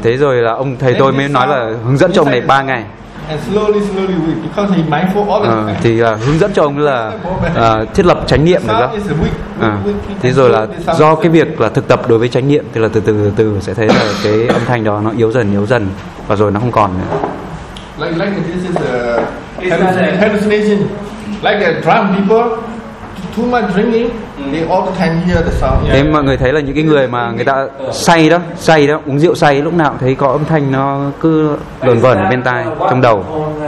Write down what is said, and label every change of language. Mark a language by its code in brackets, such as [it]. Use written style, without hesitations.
[vi] Thế rồi là ông thầy tôi mới nói là hướng dẫn cho ông này 3 ngày. [en] and slowly slowly weak because he mindful all the time. [vi] Thì hướng dẫn cho ông là thiết lập chánh niệm được đó. Thế rồi là do cái việc là thực tập đối với chánh niệm thì là từ từ sẽ thấy là cái âm thanh đó nó yếu dần và rồi nó không còn nữa. [en] Like this is a hallucination. Like a drunk people, too much drinking, they all can hear the sound. [vi] Thế mọi người thấy là những cái người mà người ta say đó, uống rượu say lúc nào cũng thấy có âm thanh nó cứ lờn vờn ở bên tai, trong đầu.